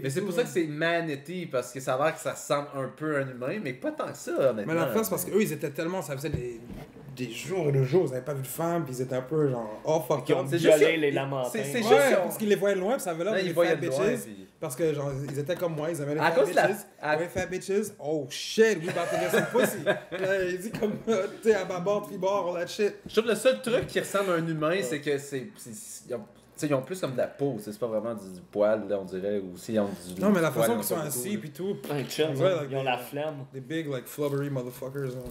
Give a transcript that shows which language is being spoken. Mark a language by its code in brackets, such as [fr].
[fr] Mais c'est pour ça que c'est manatee, parce que ça a l'air que ça ressemble un peu à un humain, mais pas tant que ça, honnêtement. Mais la face, parce qu'eux, ils étaient tellement... Ça faisait des jours et des jours, ils n'avaient pas vu de femme, puis ils étaient un peu genre... [en] Oh, fuck. [fr] Ils ont violé les lamantins. C'est ouais, juste parce qu'ils les voyaient loin, puis ça avait l'air de les faire bitches. Parce que, genre, ils étaient comme moi, ils avaient les [en] fat bitches. Les fat bitches. Oh shit, we about to get some pussy. [fr] Il dit comme, tu sais, à bâbord, tribord, [en] all that shit. [fr] Je trouve le seul truc qui ressemble à un humain, c'est que ils ont plus comme de la peau, c'est pas vraiment du poil, là, on dirait. Ou si ils ont du. Non, mais la façon qu'ils sont assis, pis tout. Ils ont la flemme. [en] Des big, like, flubbery motherfuckers.